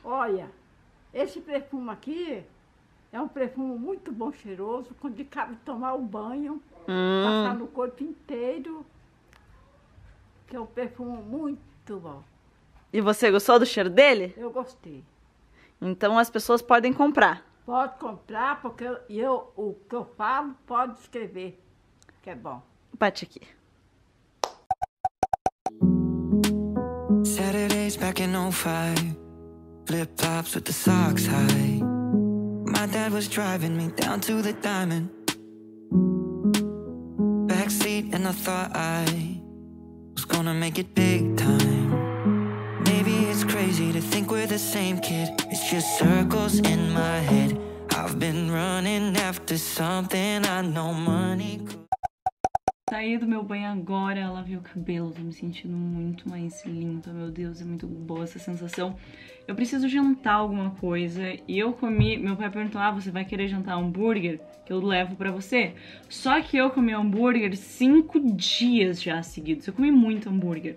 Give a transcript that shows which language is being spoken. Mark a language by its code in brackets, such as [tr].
[pt] Olha, esse perfume aqui é um perfume muito bom, cheiroso, quando cabe tomar o banho, passar no corpo inteiro, que é um perfume muito bom. E você gostou do cheiro dele? Eu gostei. Então as pessoas podem comprar. Pode comprar, porque eu o que eu falo, pode escrever, que é bom. Bate aqui. [en] Saturdays back in 05, flip flops with the socks high. My dad was driving me down to the diamond. Backseat and I thought I was gonna make it big time. Maybe it's crazy to think we're the same kid. It's just circles in my head. I've been running after something I know money. [pt] Saí do meu banho agora, lavei o cabelo, tô me sentindo muito mais linda. Meu Deus, é muito boa essa sensação. Eu preciso jantar alguma coisa e eu comi, meu pai perguntou: "Ah, você vai querer jantar hambúrguer? Que eu levo pra você." Só que eu comi hambúrguer 5 dias já seguidos. Eu comi muito hambúrguer.